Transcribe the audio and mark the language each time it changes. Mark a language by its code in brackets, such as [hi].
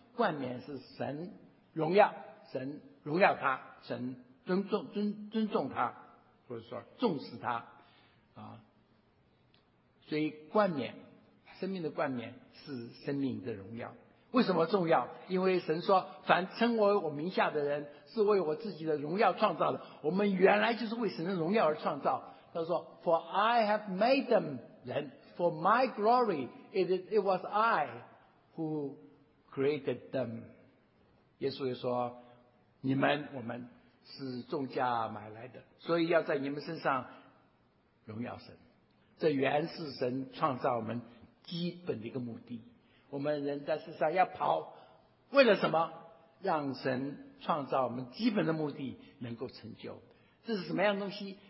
[zh] 冠冕是神荣耀，神荣耀他，神尊重他，或者说重视他啊。所以冠冕，生命的冠冕是生命的荣耀。为什么重要？因为神说，凡称为我名下的人是为我自己的荣耀创造的。我们原来就是为神的荣耀而创造。他说 [en] For I have made them 人 For my glory it was I who created them。 [zh] 耶稣也说，你们我们是重价买来的，所以要在你们身上荣耀神。这原是神创造我们基本的一个目的。我们人在世上要跑，为了什么？让神创造我们基本的目的能够成就。这是什么样东西？